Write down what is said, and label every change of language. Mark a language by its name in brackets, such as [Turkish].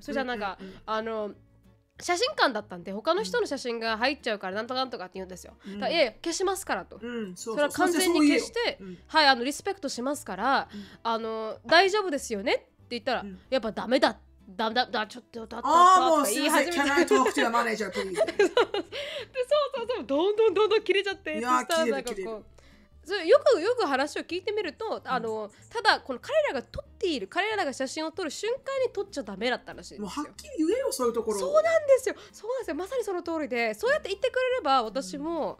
[Japanese] それじゃあなんか、うんうんうん、あの写真館だったんで他の人の写真が入っちゃうからなんとかなんとかって言うんですよ、うん、だから、いやいや消しますからと、うん、そうそう、それは完全に消して、はい、あのリスペクトしますから、うん、あの大丈夫ですよねって言ったら、うん、やっぱダメだダメだダメだちょっとだったとか言い始めて、 [English] Can I talk to your manager please? [Japanese] そうそうそう、どんどんどんどん切れちゃって、いや切れる切れる、それよく話を聞いてみると、ただこの彼らが撮っている、彼らが写真を撮る瞬間に撮っちゃダメだったらしいですよ。もうはっきり言えよ、そういうところ。そうなんですよ、そうなんですよ、まさにその通りで、そうやって言ってくれれば私も、